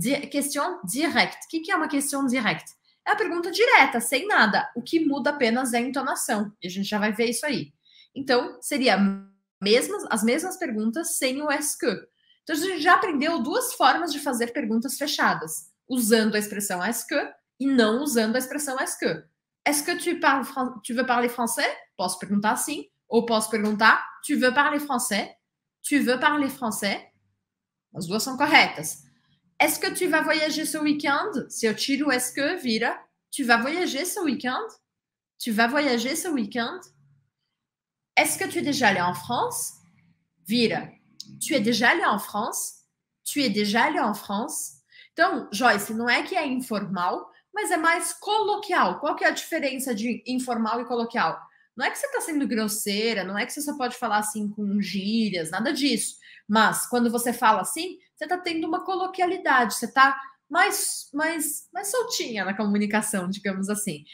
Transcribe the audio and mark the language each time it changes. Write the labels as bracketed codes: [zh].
[en] Question direct. [pt] O que é uma question direct? É a pergunta direta, sem nada. O que muda apenas é a entonação. E a gente já vai ver isso aí. Então, seria as mesmas perguntas sem o est-ce que. Então, a gente já aprendeu duas formas de fazer perguntas fechadas. Usando a expressão est-ce que e não usando a expressão est-ce que. [fr] Est-ce que tu veux parler français? [pt] Posso perguntar sim. Ou posso perguntar, [fr] tu veux parler français? Tu veux parler français? [pt] As duas são corretas. [fr] Est-ce que tu vas voyager ce weekend? [pt] Se eu tiro o [fr] est-ce que, vira. Tu vas voyager ce weekend? Tu vas voyager ce weekend? Est-ce que tu es déjà allé en France? Vira. Tu es déjà allé en France? Tu es déjà allé en France? [pt] Então, Joyce, não é que é informal, mas é mais coloquial. Qual que é a diferença de informal e coloquial? Não é que você está sendo grosseira, não é que você só pode falar assim com gírias, nada disso. Mas quando você fala assim, você está tendo uma coloquialidade, você está mais soltinha na comunicação, digamos assim.